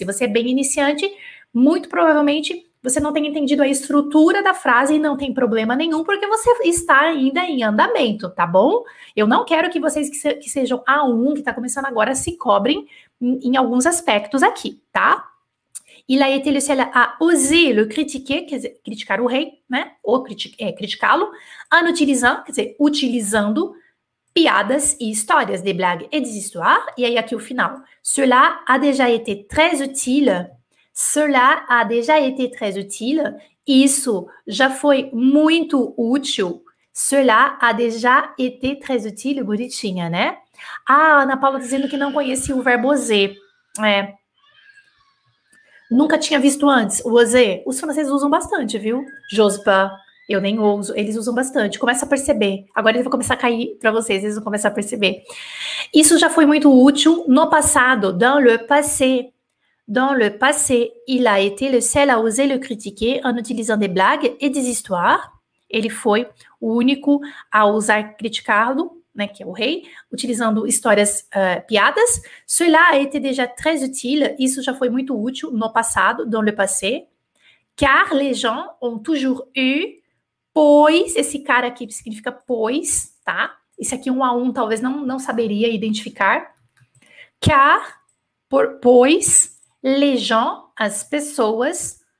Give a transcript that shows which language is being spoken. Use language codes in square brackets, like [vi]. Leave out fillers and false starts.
[pt] Se você é bem iniciante, muito provavelmente você não tem entendido a estrutura da frase e não tem problema nenhum, porque você está ainda em andamento, tá bom? Eu não quero que vocês que sejam A1, que está começando agora, se cobrem em alguns aspectos aqui, tá? [fr] Il a été le seul à oser le critiquer, [pt] quer dizer, criticar o rei, né? Ou criticá-lo, [fr] en utilisant, [pt] quer dizer, utilizando piadas e histórias, [fr] des blagues et des histoires. [pt] E aí, aqui o final. [fr] Cela a déjà été très utile. Cela a déjà été très utile. [pt] Isso já foi muito útil. [fr] Cela a déjà été très utile, [pt] bonitinha, né? Ah, Ana Paula dizendo que não conhecia o verbo oser. É. Nunca tinha visto antes o osé. Os franceses usam bastante, viu? Jospa, eu nem ouso. Eles usam bastante. Começa a perceber. Agora ele vai começar a cair para vocês. Eles vão começar a perceber. Isso já foi muito útil no passado. [fr] Dans le passé. Dans le passé, il a été le seul à oser le critiquer en utilisant des blagues et des histoires. [pt] Ele foi o único a ousar criticá-lo. Né, que é o rei, utilizando histórias, piadas. [fr] Cela a été déjà très utile. [pt] Isso já foi muito útil no passado, [fr] dans le passé. Car les gens ont toujours eu, [pt] pois, esse cara aqui significa pois, tá? Isso aqui um a um talvez não saberia identificar. Car, pois, [fr] les gens, [pt] as pessoas.